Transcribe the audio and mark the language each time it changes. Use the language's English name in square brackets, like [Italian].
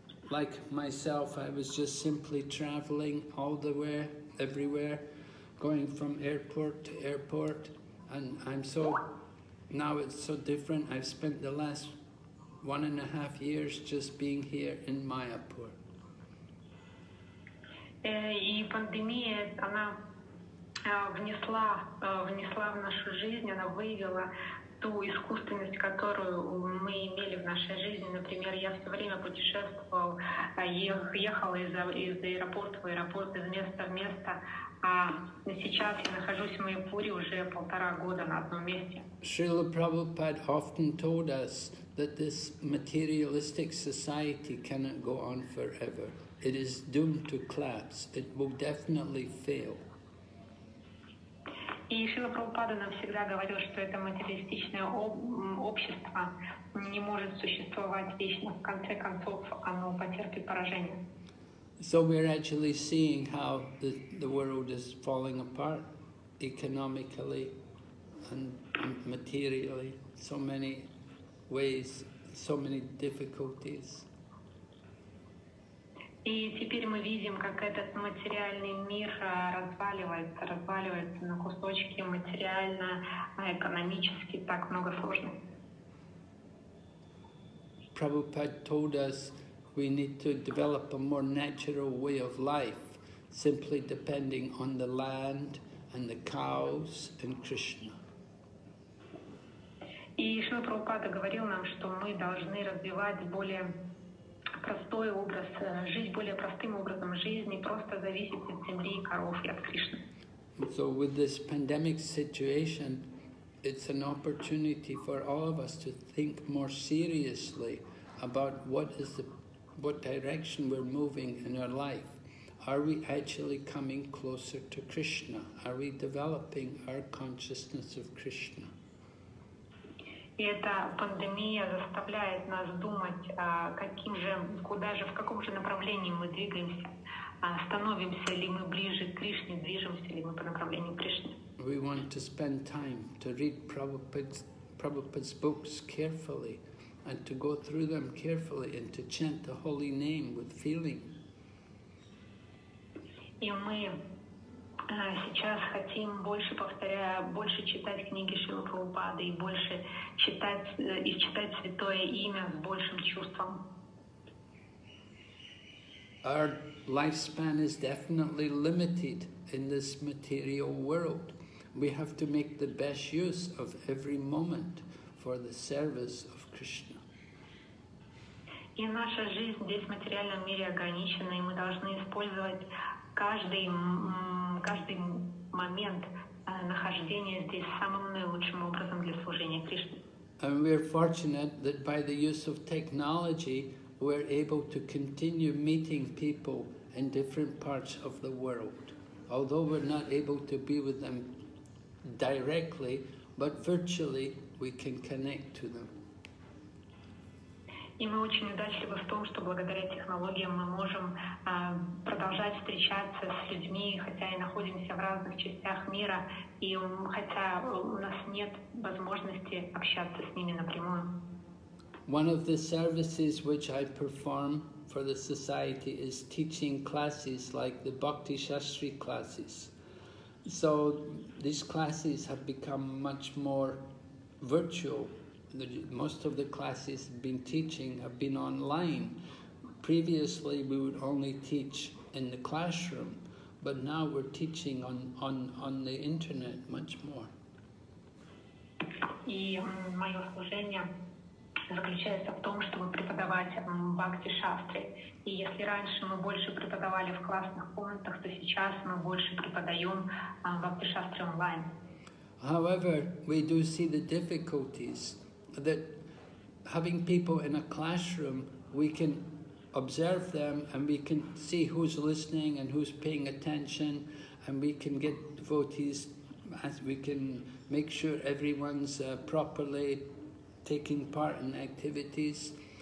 [English] Like myself, I was just simply traveling all the way, everywhere, going from airport to airport, and now it's so different. I've spent the last 1.5 years just being here in Mayapur. [Russian] И пандемия, она внесла в нашу жизнь, она вывела ту искусственность, которую мы имели в нашей жизни. Например, я все время путешествовал, ехала из аэропорта в аэропорт, из места в место, а сейчас я нахожусь в Майпуре уже 1.5 года на одном месте. [English] Шрила Прабхупад often told us that this materialistic society cannot go on forever. It is doomed to collapse. It will definitely fail. [Russian] И Шрила Прабхупада нам всегда говорил, что это материалистичное общество не может существовать вечно. В конце концов, оно потерпит поражение. [English] So we're actually seeing how the world is falling apart economically and materially. So many ways, so many difficulties. [Russian] И теперь мы видим, как этот материальный мир разваливается на кусочки материально, экономически, так много сложно. [English] Prabhupada told us we need to develop a more natural way of life, simply depending on the land and the cows and Krishna. [Russian] И Шрила Прабхупада говорил нам, что мы должны развивать более простой образ, жить более простым образом жизни, просто зависеть от земли, коров и от Кришны. [English] So with this pandemic situation, it's an opportunity for all of us to think more seriously about what direction we're moving in our life. Are we actually coming closer to Krishna? Are we developing our consciousness of Krishna? [Russian] И эта пандемия заставляет нас думать, каким же, куда же, в каком же направлении мы двигаемся, становимся ли мы ближе к Кришне, движемся ли мы по направлению к Кришне. [English] We want to spend time to read Prabhupada's books carefully and to go through them carefully and to chant the holy name with feeling. [Russian] И мы сейчас хотим больше читать книги Шрилы Прабхупады и больше читать святое имя с большим чувством. [English] Our lifespan is definitely limited in this material world. We have to make the best use of every moment for the service of Krishna. [Russian] И наша жизнь здесь в материальном мире ограничена, и мы должны использовать каждый момент нахождения здесь самым наилучшим образом для служения Кришне. [English] And we are fortunate that by the use of technology we are able to continue meeting people in different parts of the world. Although we're not able to be with them directly, but virtually we can connect to them. [Russian] И мы очень удачливы в том, что благодаря технологиям мы можем продолжать встречаться с людьми, хотя и находимся в разных частях мира, и хотя у нас нет возможности общаться с ними напрямую. [English] One of the services which I perform for the society is teaching classes like the Bhakti Shastri classes. So these classes have become much more virtual. Most of the classes I've been teaching have been online. Previously we would only teach in the classroom, but now we're teaching on the internet much more. [Russian] И мое служение заключается в том, чтобы преподавать бхакти-шастры. И если раньше мы больше преподавали в классных комнатах, то сейчас мы больше преподаем бхакти-шастры онлайн. [English] However, we do see the difficulties that having people in a classroom, we can observe them and we can see who's listening and who's paying attention, and we can get devotees, as we can make sure everyone's properly taking part in activities.